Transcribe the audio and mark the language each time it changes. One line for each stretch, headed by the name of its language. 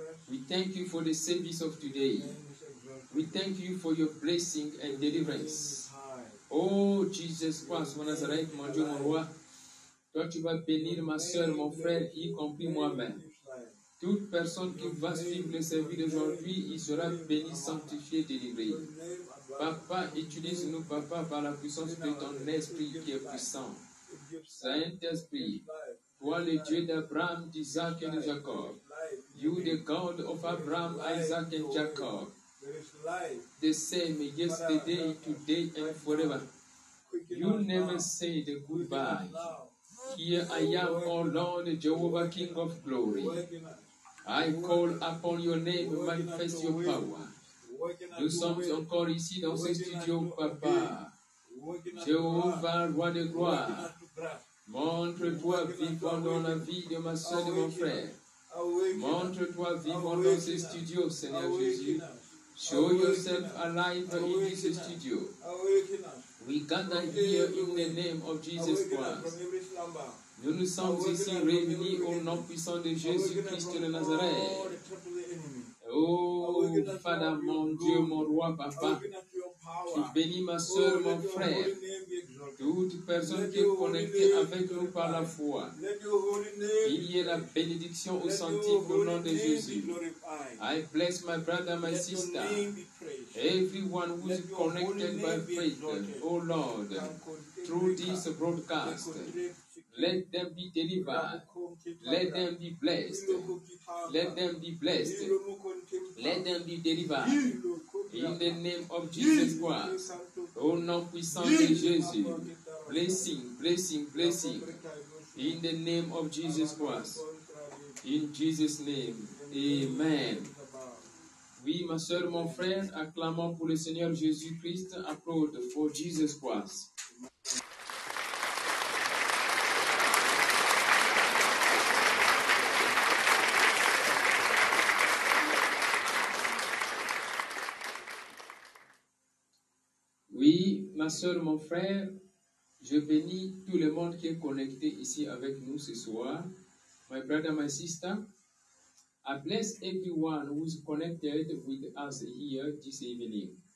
English: We thank you for the service of today. We thank you for your blessing and deliverance.
French: Oh, Jesus Christ, mon Nazareth, mon Dieu, mon roi, toi tu vas bénir ma soeur, mon frère, y compris moi-même. Toute personne qui va suivre le service d'aujourd'hui, il sera béni, sanctifié, délivré. Papa, utilise-nous, Papa, par la puissance de ton esprit qui est puissant. Saint-Esprit, toi le Dieu d'Abraham, d'Isaac et de Jacob.
English: You the God of Abraham, Isaac and Jacob. The same yesterday, today and forever. You never say the goodbye. Here I am, O Lord, Jehovah, King of Glory. I call upon your name, manifest your power.
French: Nous sommes encore ici dans ce studio, Papa. Jéhovah, roi de gloire, montre-toi vivant dans la vie de ma soeur et de mon frère. Montre-toi vivant dans ce studio, Seigneur Jésus.
English: Show yourself alive in this studio. We gather here in the name of Jesus Christ.
French: Nous nous sommes ici réunis au nom puissant de Jésus-Christ de Nazareth.
English: Oh, Father,
French: mon Dieu, mon roi, Papa, tu bénis ma soeur, mon frère, toute personne qui est connectée avec nous par la foi. Il y ait la bénédiction au sanctifié au nom de Jésus.
English: I bless my brother, my sister, everyone who is connected by faith, oh Lord, through this broadcast. Let them be delivered. Let them be blessed. Let them be blessed. Let them be delivered. In the name of Jesus Christ.
French: Au nom puissant de Jésus.
English: Blessing, blessing, blessing. In the name of Jesus Christ. In Jesus' name. Amen.
French: Oui, ma soeur, mon frère, acclamons pour le Seigneur Jésus Christ.
English: Applaud for Jesus Christ.
French: Ma soeur, mon frère, je bénis tout le monde qui est connecté ici avec nous ce soir.
English: My brother, my sister, I bless everyone who is connected with us here this evening.